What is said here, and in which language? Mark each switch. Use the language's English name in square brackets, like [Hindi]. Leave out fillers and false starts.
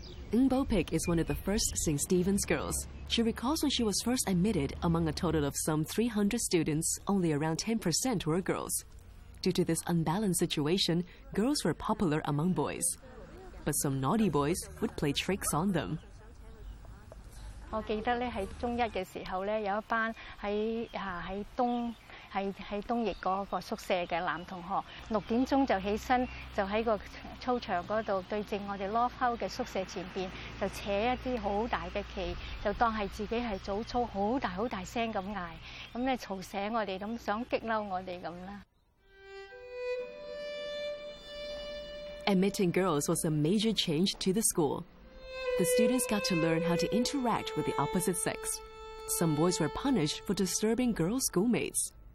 [English] Ngbo Pik is one of the first St. Stephen's girls. She recalls when she was first admitted among a total of some 300 students, only around 10% were girls. Due to this unbalanced situation, girls were popular among boys, but some naughty boys would play tricks on them. [Chinese] 我記得在中一的時候有一班 在東翼那個宿舍的男同學六點鐘就起身就在個操場那裡對正我們 Loft House 的宿舍前面就扯一些很大的旗就當是自己是早操很大很大聲地喊那就吵醒我們想激怒我們啦。 [English] Admitting girls was a major change to the school. The students got to learn how to interact with the opposite sex. Some boys were punished for disturbing girls' schoolmates.